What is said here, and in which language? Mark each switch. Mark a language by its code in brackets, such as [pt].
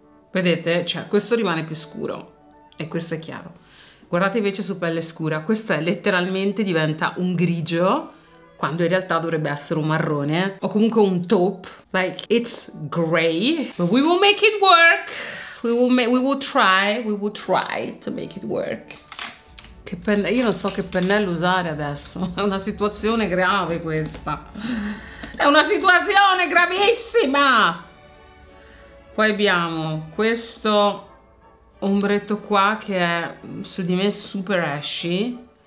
[it] Vedete? Cioè, questo rimane più scuro e questo è chiaro. Guardate invece su pelle scura, questo è letteralmente diventa un grigio, quando in realtà dovrebbe essere un marrone o comunque un taupe. [en] Like, it's grey, but we will make it work. We will try to make it work. [it] Che pennello, io non so che pennello usare adesso, è una situazione grave questa. È una situazione gravissima! Poi abbiamo questo ombretto qua che è su di me super ashy.